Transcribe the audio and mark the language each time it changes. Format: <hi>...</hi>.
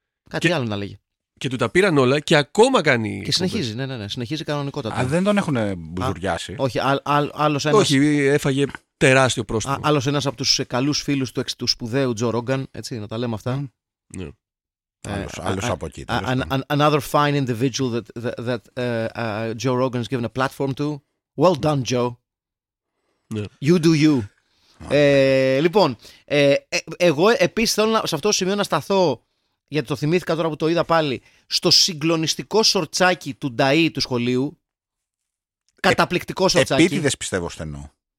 <el>Κάτι άλλο να λέγει. Και του τα πήραν όλα και ακόμα κάνει. Και συνεχίζει, ναι, ναι, ναι, συνεχίζει κανονικότατα. Α, δεν τον έχουν μπουζουριάσει. Όχι, άλλος ένας. Όχι, έφαγε τεράστιο πρόστιμο. Άλλος ένας από τους καλούς φίλους του, του σπουδαίου Τζο Ρόγκαν, έτσι, να τα λέμε αυτά. Άλλος από εκεί.</el> <en>Another fine individual that Joe Rogan has given a platform to. Well done, Joe. Yeah. You do you.</en> <el>Λοιπόν, εγώ επίσης θέλω σε αυτό το σημείο να σταθώ. Γιατί το θυμήθηκα τώρα που το είδα πάλι. Στο συγκλονιστικό σορτσάκι του Νταΐ του σχολείου. Καταπληκτικό σορτσάκι. Επίτηδες πιστεύω στενό.</el>